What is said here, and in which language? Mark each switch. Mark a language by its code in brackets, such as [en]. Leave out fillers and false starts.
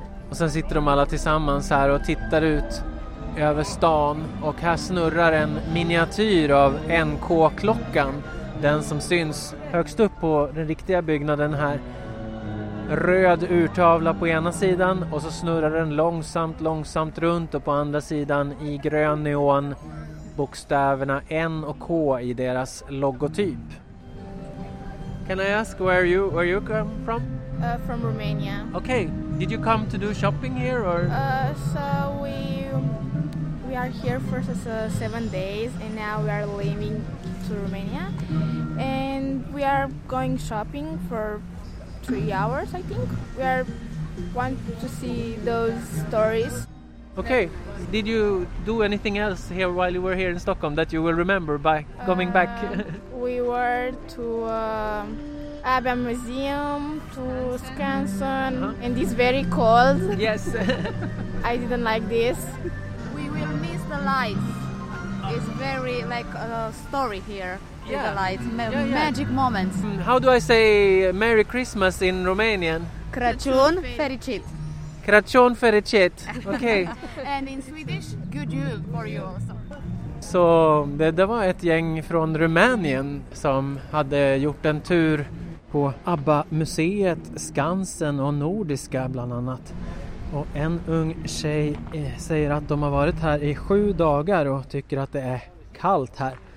[sv] Och sen sitter de alla tillsammans här och tittar ut över stan och här snurrar en miniatyr av NK-klockan, den som syns högst upp på den riktiga byggnaden här. Röd urtavla på ena sidan och så snurrar den långsamt, långsamt runt och på andra sidan i grön neon bokstäverna N och K i deras logotyp. [en] Can I ask where you come from? From Romania. Okay, did you come to do shopping here or? So we are here for 7 days and now we are leaving to Romania and we are going shopping for 3 hours, I think. We are want to see those stories. Okay, did you do anything else here while you were here in Stockholm that you will remember by coming back? We were to Abbey Museum, to Skansen, uh-huh. And it's very cold. Yes. I didn't like this. We will miss the lights. It's very like a story here. Yeah. The lights, magic moments. How do I say Merry Christmas in Romanian? [ro] Crăciun fericit. Crăciun fericit. Okay. [en] And in Swedish, good jul for you also. [sv] Så det var ett gäng från Rumänien som hade gjort en tur på ABBA-museet, Skansen och Nordiska bland annat. Och en ung tjej säger att de har varit här i 7 dagar och tycker att det är kallt här.